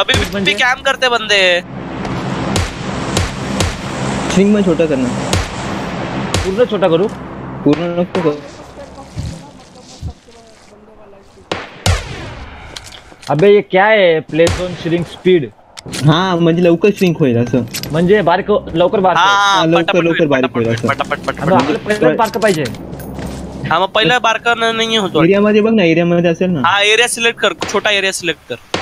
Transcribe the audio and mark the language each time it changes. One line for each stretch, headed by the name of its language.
Hindi: अभी भी कैंप करते बंदे स्विंग में छोटा करना
Marathi: पूर्ण छोटा करू पूर्ण
Hindi: अबे ये क्या है प्ले झोन श्रिंक स्पीड
Marathi: हां म्हणजे लवकर श्रिंक होईल असं म्हणजे बारीक लवकर बारीक हां लवकर लवकर बारीक होईल असं पटापट पटापट पहिले बारीक पाहिजे हां मग पहिले बारीक नाही होतो एरिया मध्ये बघ ना एरिया मध्ये असेल ना
Hindi: हां एरिया सिलेक्ट कर छोटा एरिया सिलेक्ट कर